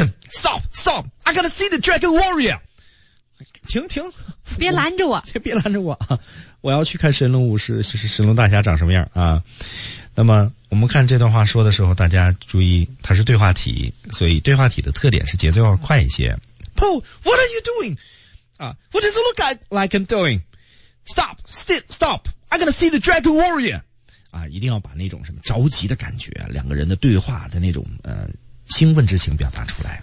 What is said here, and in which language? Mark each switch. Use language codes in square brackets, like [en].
[en] Stop! I gotta see the Dragon Warrior. [zh] 停停，别拦着我！别拦着我！我要去看神龙武士，神龙大侠长什么样啊？那么我们看这段话说的时候，大家注意，它是对话体，所以对话体的特点是节奏要快一些。 [en] Paul, what are you doing? 啊 ，What does it look like I'm doing? Stop! I gotta see the Dragon Warrior. [zh] 啊，一定要把那种什么着急的感觉，两个人的对话的那种兴奋之情表达出来，